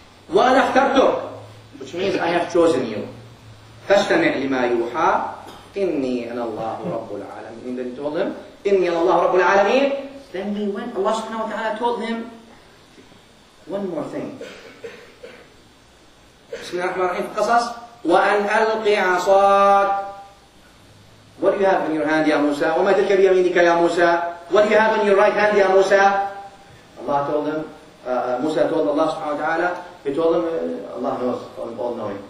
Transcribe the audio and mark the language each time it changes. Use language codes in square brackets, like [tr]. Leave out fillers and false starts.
[en] وَأَنَا اخْتَرْتُكَ Which means, I have chosen you. فَاسْتَمِعْ لِمَا يُوحَى إِنِّي أَنَا اللَّهُ رَبُّ الْعَالَمِينَ And then he told him, إِنِّي أَنَا اللَّهُ رَبُّ الْعَالَمِينَ Then he went, Allah subhanahu wa ta'ala told him, one more thing. [ar] بسم الله الرحمن الرحيم في القصص وأن ألقي عصاك. [en] What do you have in your hand يا موسى؟ وما تلك بيمينك يا موسى؟ What do you have in your right hand يا موسى؟ الله told them, موسى told الله سبحانه وتعالى, he told them, الله knows, all knowing.